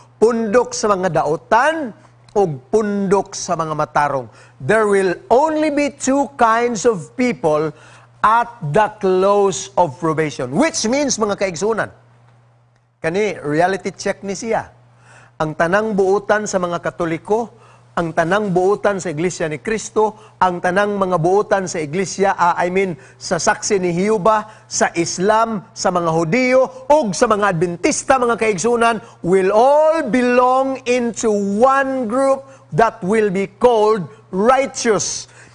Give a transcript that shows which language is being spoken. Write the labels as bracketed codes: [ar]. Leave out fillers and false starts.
[ceb] Pundok sa mga daotan o pundok sa mga matarong. [en] There will only be two kinds of people at the close of probation. [ceb] Which means, mga kaigsunan, kani [en] reality check [ceb] ni siya. Ang tanang buutan sa mga Katoliko, ang tanang buutan sa Iglesia ni Kristo, ang tanang mga buutan sa Iglesia, sa saksi ni Hiuba, sa Islam, sa mga Hudiyo, o sa mga Adventista, mga kaigsunan, [en] will all belong into one group that will be called righteous.